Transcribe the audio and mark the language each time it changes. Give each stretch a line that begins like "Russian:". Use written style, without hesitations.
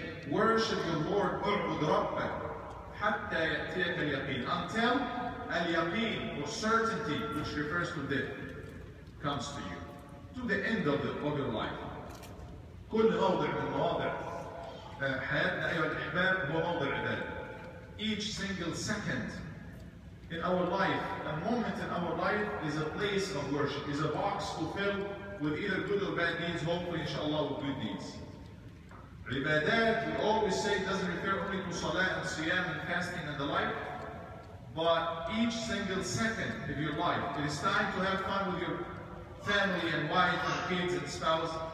English: Worship the Lord,
Arabic: اعبد ربك حتى يأتيك اليقين.
English: Until اليقين or certainty, which refers to death, comes to you. To the end of your life.
Arabic: كل موضع من مواضع حياتنا أيها الأحباب هو موضع عبادة.
English: Each single second in our life, a moment in our life is a place of worship, is a box to fill with either good or bad deeds, hopefully inshallah with good deeds. Ibadat, we always say, doesn't refer only to salah and siyam and fasting and the like, but each single second of your life, it is time to have fun with your family and wife and kids and spouse.